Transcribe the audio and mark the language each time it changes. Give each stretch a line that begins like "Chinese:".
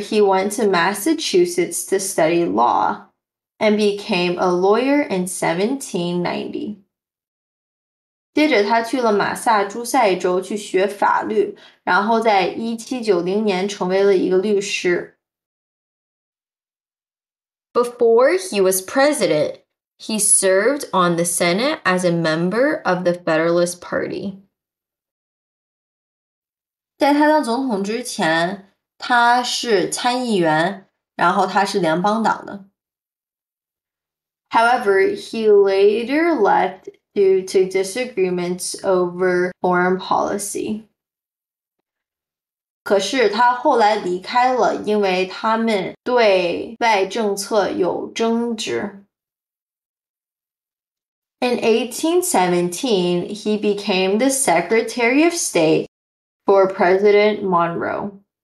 English: he went to Massachusetts to study law and became a lawyer in 1790.
Chinese: 接着他去了马萨诸塞州去学法律, 然后在1790年成为了一个律师.
English: Before he was president, he served on the Senate as a member of the Federalist Party.
Chinese: 在他当总统之前, 他是参议员, 然后他是联邦党的。
English: However, he later left due to disagreements over foreign policy.
Chinese: 可是他后来离开了，因为他们对外政策有争执。
English: In 1817, he became the Secretary of State for President Monroe.